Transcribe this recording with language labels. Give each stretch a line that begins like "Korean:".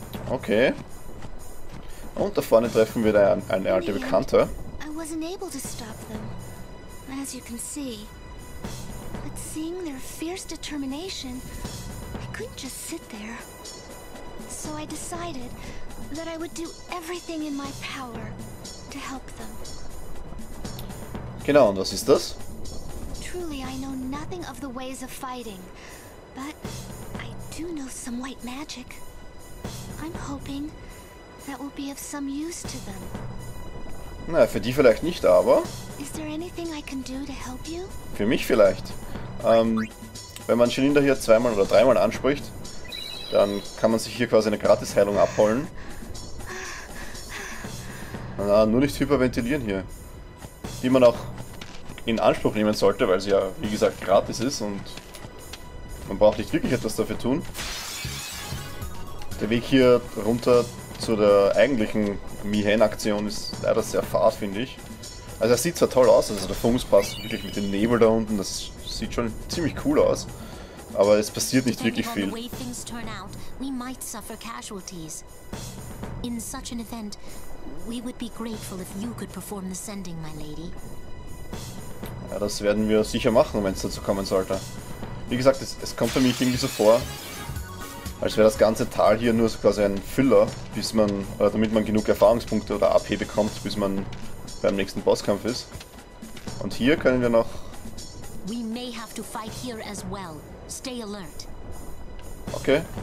German: Okay. Und da vorne treffen wir da eine alte Bekannte. Ich war nicht
English: able to stop them. As you can see. But seeing their fierce determination, I couldn't just sit there. So I decided that I would do everything in my power to help them.
German: Genau, und was ist das?
English: Truly, I know nothing of the ways of fighting, but I do know some white magic. I'm hoping that will be of some use to them.
German: Na, für die vielleicht nicht, aber.
English: Is there anything I can do to help you?
German: Für mich vielleicht. Wenn man Shininda hier zweimal oder dreimal anspricht, dann kann man sich hier quasi eine Gratisheilung abholen. Na, nur nicht hyperventilieren hier. Die man auch in Anspruch nehmen sollte, weil sie ja, wie gesagt, gratis ist und man braucht nicht wirklich etwas dafür tun. Der Weg hier runter zu der eigentlichen Mihan-Aktion ist leider sehr fad, finde ich. Also er sieht zwar toll aus, also der Funguspass wirklich mit dem Nebel da unten, das sieht schon ziemlich cool aus. aber es passiert nicht wirklich viel.
English: Depending on the way things turn out, we might suffer casualties. In such an event, we would be grateful if you could perform the sending, my lady.
German: Ja, das werden wir sicher machen, wenn es dazu kommen sollte. Wie gesagt, es kommt für mich irgendwie so vor, als wäre das ganze Tal hier nur so quasi ein Füller, bis man, damit man genug Erfahrungspunkte oder AP bekommt, bis man beim nächsten Bosskampf ist. Und hier können wir noch...
English: We may have to fight here as well. Stay alert. Okay.